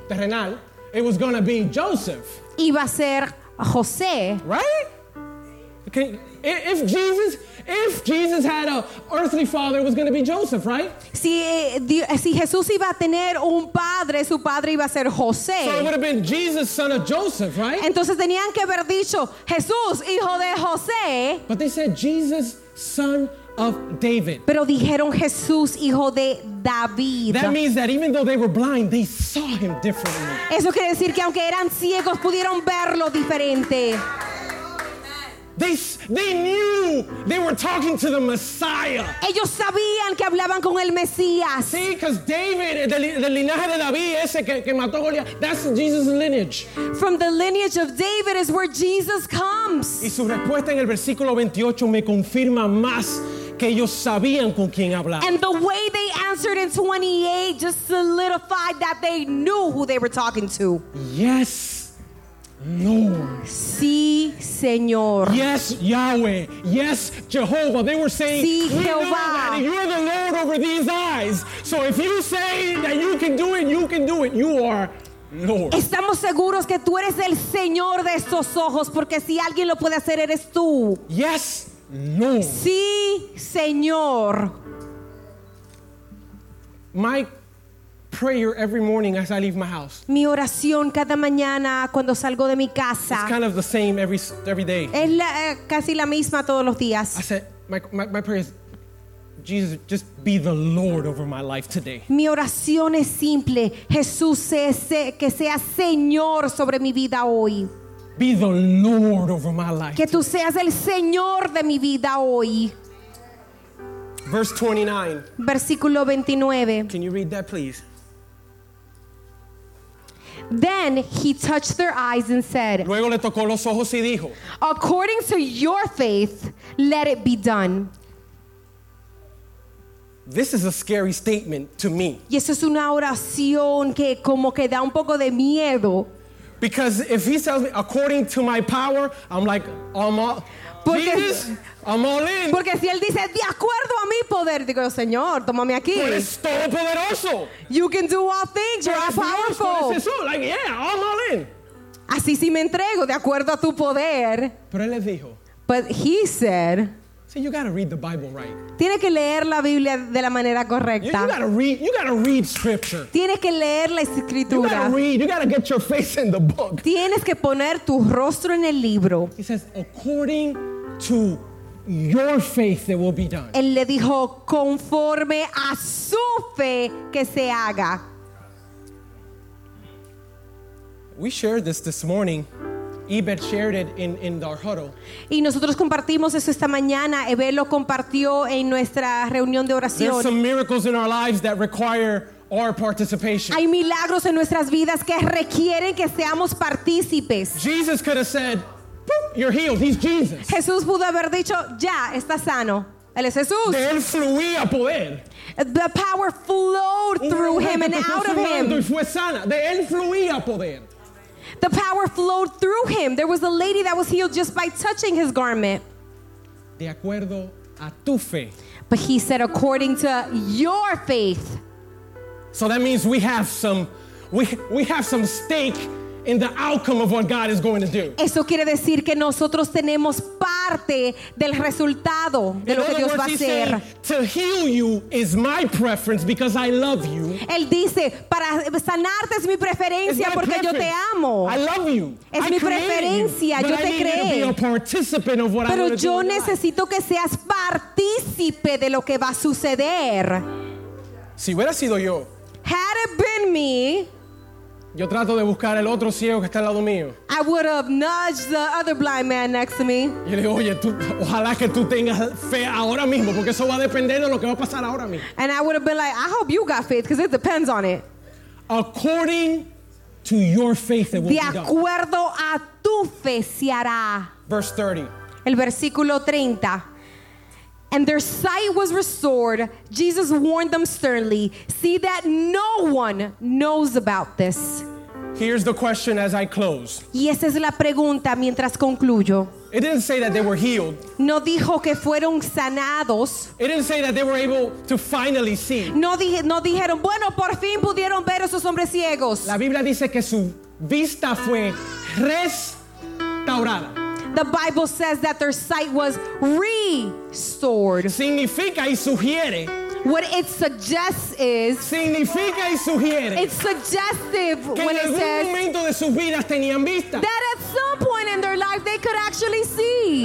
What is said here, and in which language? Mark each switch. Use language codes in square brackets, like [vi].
[en] terrenal, it was going to be Joseph. [es] Iba a ser José. [en] Right? Okay. If Jesus had an earthly father, it was going to be Joseph, right? [es] Si Jesús iba a tener un padre, su padre iba a ser José. [en] So it would have been Jesus, son of Joseph, right? [es] Entonces tenían que haber dicho Jesús, hijo de José. [en] But they said Jesus, son of David. [es] Pero dijeron Jesús, hijo de David. [en] That means that even though they were blind, they saw him differently. [es] Eso quiere decir que aunque eran ciegos, pudieron verlo diferente. [en] They knew they were talking to the Messiah. [es] Ellos sabían que hablaban con el Mesías. Sí, [en] because David, the [es] linaje de David, ese que mató Goliat, [en] that's Jesus' lineage. From the lineage of David is where Jesus comes. [es] Y su respuesta en el versículo 28 me confirma más que ellos sabían con quién hablaban. [en] And the way they answered in 28 just solidified that they knew who they were talking to. Yes, Lord. [es] Sí, Señor. [en] Yes, Yahweh. Yes, Jehovah. They were saying, [es] sí, Jehová. [en] You're the Lord over these eyes. So if you say that you can do it, you can do it. You are Lord. [es] Estamos seguros que tú eres el Señor de estos ojos, porque si alguien lo puede hacer, eres tú. [en] Yes, Lord. [es] Sí, Señor. [en] Mike. Prayer every morning as I leave my house. [es] Mi oración cada mañana cuando salgo de mi casa. [en] It's kind of the same every day. [es] Es casi la misma todos los días. [en] I said, my prayer is, Jesus, just be the Lord over my life today. [es] Mi oración es simple. Jesús, que sea Señor sobre mi vida hoy. [en] Be the Lord over my life. [es] Que tú seas el Señor de mi vida hoy. [en] Verse 29. [es] Versículo 29. [en] Can you read that, please? Then he touched their eyes and said, [es] luego le tocó los ojos y dijo, [en] according to your faith, let it be done. This is a scary statement to me. [es] Y eso es una oración que como que da un poco de miedo. [en] Because if he tells me, according to my power, I'm like, Jesus, I'm all in. [es] Porque si él dice, de acuerdo a mi poder, digo, Señor, tómame aquí. Eres todo poderoso. [en] You can do all things. You're all powerful. [es] Es eso. [en] Like, yeah, I'm all in. [es] Así si me entrego, de acuerdo a tu poder. Pero él le dijo. [en] But he said. See, you got to read the Bible right. [es] Tienes que leer la Biblia de la manera correcta. [en] You got to read scripture. [es] Tienes que leer la escritura. [en] You got to get your face in the book. [es] Tienes que poner tu rostro en el libro. [en] He says, according to your faith it will be done. [es] Él le dijo, conforme a su fe que se haga. [en] We shared this morning. Ebed shared it in our huddle. [es] Y nosotros compartimos eso esta mañana. Ebed lo compartió en nuestra reunión de oración. [en] There's some miracles in our lives that require our participation. [es] Hay milagros en nuestras vidas que requieren que seamos partícipes. [en] Jesus could have said, you're healed. He's Jesus. [es] Jesús pudo haber dicho, ya, está sano. Él es Jesús. De él fluía poder. [en] The power flowed through him and out of him. [es] Fue sana. De él fluía poder. [en] The power flowed through him. There was a lady that was healed just by touching his garment. [es] De acuerdo a tu fe. [en] But he said, according to your faith. So that means we have some stake in the outcome of what God is going to do. [es] Eso quiere decir que nosotros tenemos parte parte del resultado de lo que Dios va a hacer. [en] To heal you is my preference because I love you. [es] Él dice, para sanarte es mi preferencia porque yo te amo. [en] I love you. [es] Es mi preferencia, yo te creo. Pero yo necesito que seas partícipe de lo que va a suceder. Si hubiera sido yo, [en] had it been me, [es] yo trato de buscar el otro ciego que está al lado mío. [en] I would have nudged the other blind man next to me. [es] Y le digo, oye, tú, ojalá que tú tengas fe ahora mismo, porque eso va a depender de lo que va a pasar ahora mismo. [en] And I would have been like, I hope you got faith, because it depends on it. According to your faith, it will be done. [es] De acuerdo a tu fe se hará. [en] Verse 30. [es] El versículo 30. [en] And their sight was restored. Jesus warned them sternly, see that no one knows about this. Here's the question as I close. [es] Y esa es la pregunta mientras concluyo. [en] It didn't say that they were healed. [es] No dijo que fueron sanados. [en] It didn't say that they were able to finally see. [es] No dijeron, bueno, por fin pudieron ver esos hombres ciegos. La Biblia dice que su vista fue restaurada. [en] The Bible says that their sight was restored. [es] Significa y sugiere. [en] What it suggests is. [es] Significa y sugiere. [en] It's suggestive when it says. [es] Que en algún momento de sus vidas tenían vista. [en] That at some point in their life they could actually see.